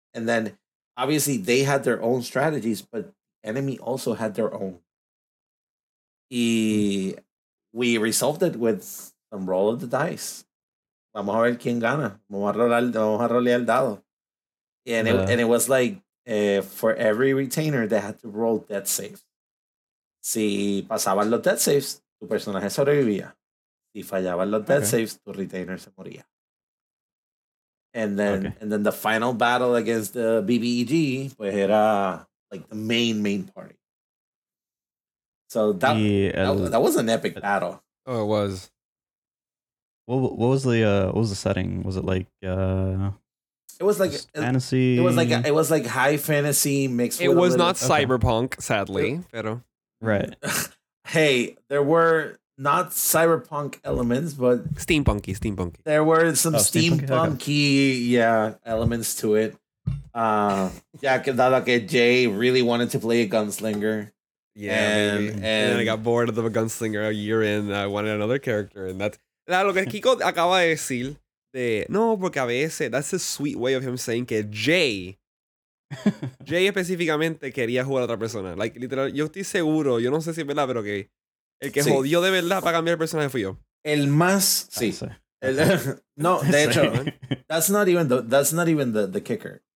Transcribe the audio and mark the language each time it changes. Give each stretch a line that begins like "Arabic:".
English: And then obviously they had their own strategies, but enemy also had their own. We resolved it with some roll of the dice.
Spanish: Vamos a ver quién gana. Vamos a rolear el dado.
English: And it was like, for every retainer, they had to roll death saves.
Spanish: Si pasaban los death saves, tu personaje sobrevivía. Si fallaban los death saves, tu retainer se moría.
English: And then the final battle against the BBEG,
Spanish: pues era
English: like the main party. So that was an epic battle. Oh, it was. What was the setting? Was it like it was like fantasy? It was like high fantasy mixed. It was not cyberpunk, sadly. Pero right. Hey, there were not cyberpunk elements, but steampunky. There were some steampunky, elements to it.
Spanish: Dado que
English: Jay really wanted to play a gunslinger. And I got bored of the gunslinger a year in. I wanted another character, and that's
Spanish: lo que Kiko acaba de decir. De no, porque a veces
English: that's a sweet way of him saying
Spanish: que Jay específicamente quería jugar a otra persona. Like literal, yo estoy seguro. Yo no sé si es verdad, pero que el que jodió de verdad para cambiar el personaje fui yo. El más, sí. Okay. El, no, de hecho,
English: that's not even the the kicker.